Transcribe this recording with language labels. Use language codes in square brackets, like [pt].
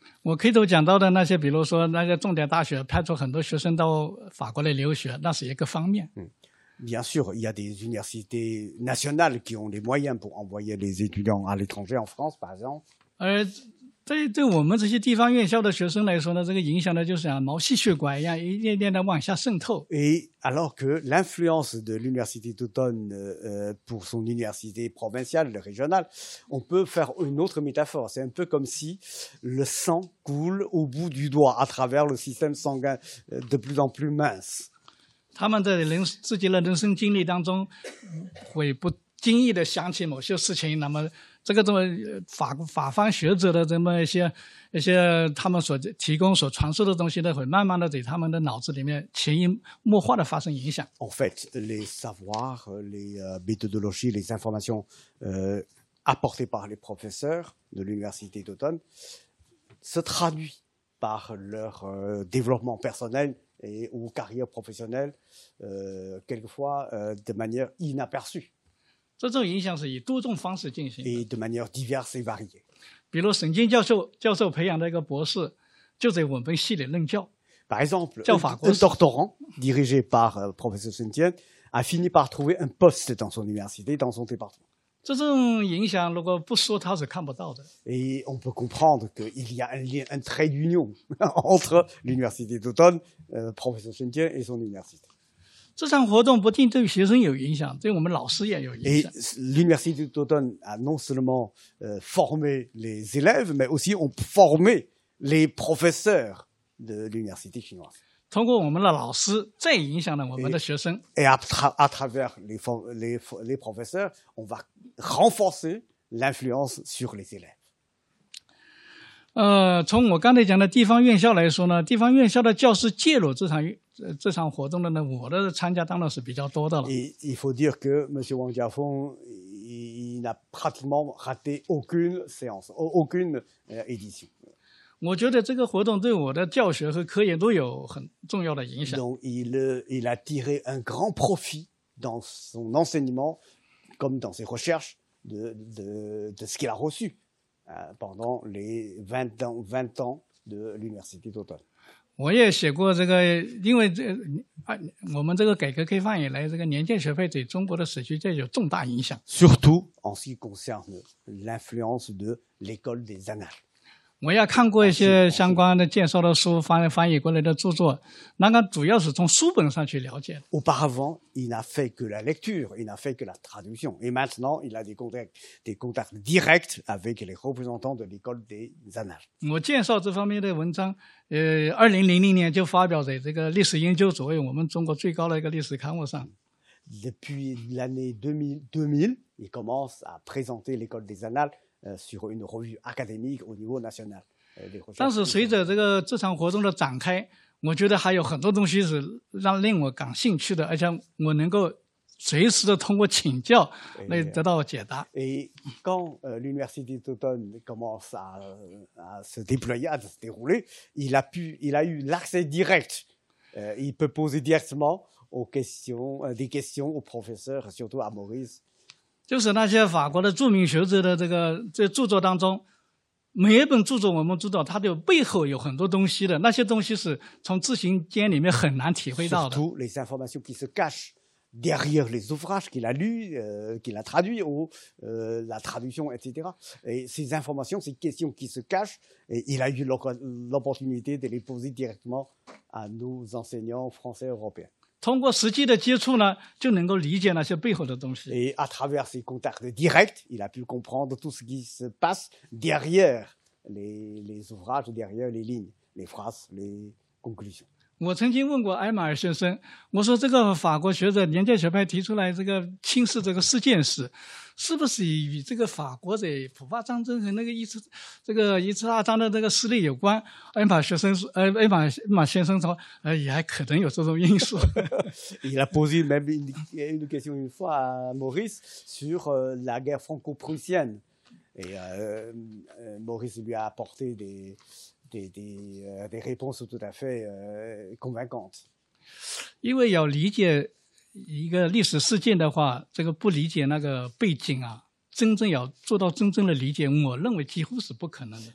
[zh] 我开头讲到的那些，比如说那个重点大学派出很多学生到法国来留学，那是一个方面。 [fr] Bien sûr, il y a des universités nationales qui ont les moyens pour envoyer les étudiants à l'étranger en France, par exemple. [zh] 对我们这些地方院校的学生来说呢，这个影响呢就是像毛细血管一样，一点点的往下渗透。 [fr] Et alors que l'influence de l'université d'automne pour son université provinciale, régionale, on peut faire une autre métaphore. C'est un peu comme si le sang coule au bout du doigt à travers le système sanguin de plus en plus mince. [zh] 他们在自己的人生经历当中，会不经意的想起某些事情，那么。这个这么法方学者的这么一些他们所提供所传授的东西呢，会慢慢的在他们的脑子里面潜移默化的发生影响。 [fr] En fait, les savoirs, les méthodologies, les informations apportées par les professeurs de l'université d'automne se traduisent par leur développement personnel et ou carrière professionnelle, quelquefois de manière inaperçue. [zh] 这种影响是以多种方式进行的。 [fr] Et de manière diverse et variée. [zh] 比如沈金教授培养的一个博士就在我们系里任教。 [fr] Par exemple, un doctorant dirigé par professeur Sun Jian a fini par trouver un poste dans son université, dans son département. [zh] 这种影响如果不说他是看不到的。 [fr] Et on peut comprendre qu'il y a un lien, un trait d'union entre l'université d'automne, professeur Sun Jian et son université. [zh] 这场活动不仅对学生有影响，对我们老师也有影响。 [fr] L'université d'automne a non seulement formé les élèves, mais aussi ont formé les professeurs de l'université chinoise. [zh] 通过我们的老师，再影响了我们的学生。 [fr] Et à travers les professeurs, on va renforcer l'influence sur les élèves. [zh] 从我刚才讲的地方院校来说呢，地方院校的教师介入这场活动的呢，我的参加当然是比较多的了。 [fr] Il faut dire que Monsieur Wang Jiafeng, il n'a pratiquement raté aucune séance, aucune édition. [zh] 我觉得这个活动对我的教学和科研都有很重要的影响。 [fr] Donc il a tiré un grand profit dans son enseignement, comme dans ses recherches de ce qu'il a reçu.Pendant les 20 ans de l'université d'automne. [zh] 我也写过这个，因为我们这个改革开放以来，这个年鉴学派对中国的史学界有重大影响。 [fr] Surtout en ce qui concerne l'influence de l'école des Annales。 [zh] 我也看过一些相关的介绍的书，翻译过来的著作，那个主要是从书本上去了解的。 [fr] Auparavant, il n'a fait que la lecture, il n'a fait que la traduction, et maintenant, il a des contacts directs avec les représentants de l'école des Annales。 [zh] 我介绍这方面的文章，2000年就发表在这个历史研究所，我们中国最高的一个历史刊物上。 [fr] Depuis l'année 2000, il commence à présenter l'école des Annales。 Sur une revue académique au niveau national. [zh] 当时随着这个这场活动的展开，我觉得还有很多东西是令我感兴趣的，而且我能够随时的通过请教来得到解答。 [fr] Et quand l'université d'automne commence à se déployer, à se dérouler, il a eu l'accès direct. Il peut poser directement des questions aux professeurs, surtout à Maurice. [zh] 就是那些法国的著名学者的这著作当中，每一本著作我们知道它的背后有很多东西的，那些东西是从字形间里面很难体会到的。 [fr] Surtout les informations qui se cachent derrière les ouvrages qu'il a lu, qu'il a traduit ou la traduction, etc. Et ces informations, ces questions qui se cachent, et il a eu l'opportunité de les poser directement à nos enseignants français européens. [zh] 通过实际的接触呢，就能够理解那些背后的东西。 [fr] Et à travers ces contacts directs, il a pu comprendre tout ce qui se passe derrière les ouvrages, derrière les lignes, les phrases, les conclusions. [zh] 我曾经问过埃马尔先生，我说这个法国学者年鉴学派提出来这个轻视这个事件史，是不是与这个法国在普法战争和那个一次大战的这个失利有关？埃马尔先生说，也还可能有这种因素。 [fr] Il a posé même une question une fois à Maurice sur la guerre franco-prussienne, et Maurice lui a apporté des réponses tout à fait convaincantes. [zh] 因为要理解一个历史事件的话，这个不理解那个背景啊，真正要做到真正的理解，我认为几乎是不可能的。